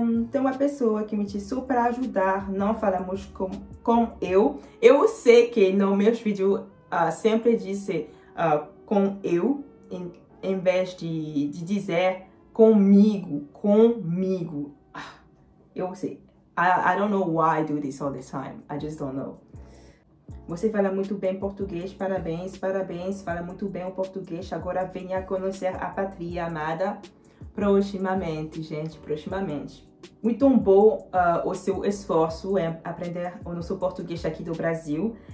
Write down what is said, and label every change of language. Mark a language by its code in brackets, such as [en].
[pt] Tem uma pessoa que me disse, para ajudar, não falamos com eu. Eu sei que no meus vídeos sempre disse com eu, em vez de dizer comigo. Eu sei. [en] I don't know why I do this all the time. I just don't know. [pt] Você fala muito bem português, parabéns, fala muito bem o português. Agora venha conhecer a pátria amada proximamente, gente, proximamente. Muito bom o seu esforço em aprender o nosso português aqui do Brasil.